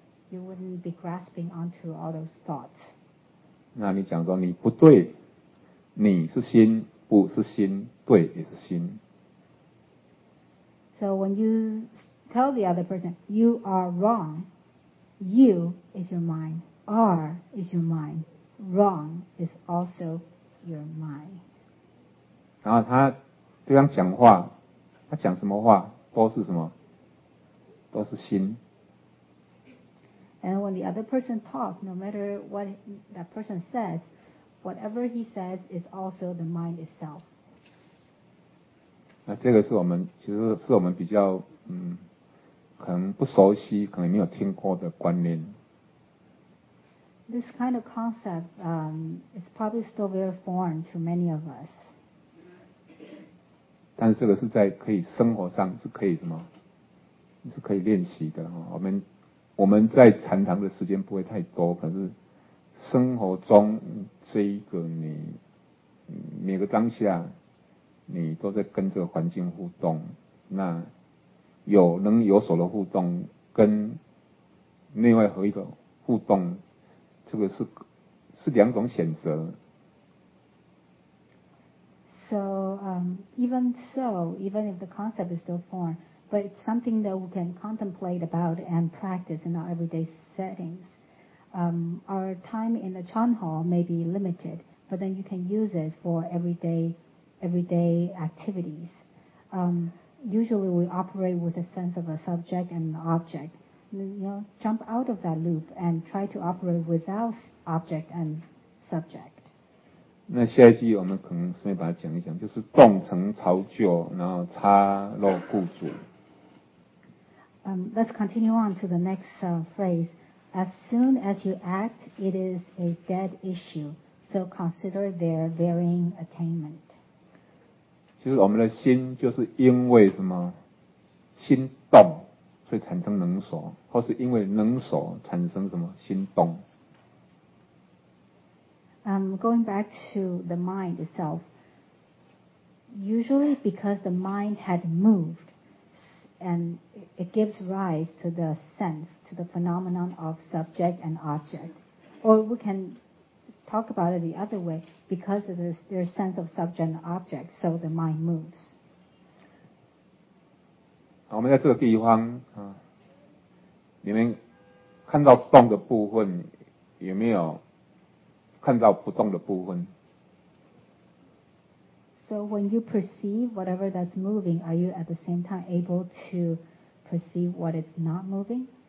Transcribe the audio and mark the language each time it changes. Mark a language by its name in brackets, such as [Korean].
[English] You wouldn't be grasping onto all those thoughts. [Chinese] 那你讲说你不对，你是心，不是心，对也是心。 [English] So when you tell the other person, you are wrong,You is your mind. Are is your mind. Wrong is also your mind. [Chinese] 然后他对方讲话，他讲什么话都是什么，都是心。 [English] And when the other person talks, no matter what that person says, whatever he says is also the mind itself. [Chinese] 那这个是我们其实是我们比较可能不熟悉，可能没有听过的观念。 [English] This kind of concept is probably still very foreign to many of us. [Chinese] 但是这个是在可以生活上是可以什么？是可以练习的哈。我们在禅堂的时间不会太多，可是生活中这一个你每个当下你都在跟这个环境互动，那有能有所的互动跟内外合一的互动，这个是两种选择。 [English] So even if the concept is still foreign, but it's something that we can contemplate about and practice in our everyday settings. Our time in the Chan Hall may be limited, but then you can use it for everyday activities. Usually we operate with a sense of a subject and an object. You know, jump out of that loop and try to operate without object and subject. [Chinese] 那下一句我们可能顺便把它讲一讲，就是动成巢臼，然后插落故主。 [English] Let's continue on to the next phrase. As soon as you act, it is a dead issue. So consider their varying attainment. [Chinese] 其实我们的心就是因为什么心动，所以产生能所，或是因为能所产生什么心动。 [English] Going back to the mind itself, usually because the mind had moved, and it gives rise to the sense, to the phenomenon of subject and object. Or we can talk about it the other way, because there's sense of subject and object, so the mind moves. [Chinese] 我们在这个地方，你们看到动的部分有没有看到不动的部分。 [English] So when you perceive whatever that's moving, are you at the same time able to perceive what is not moving?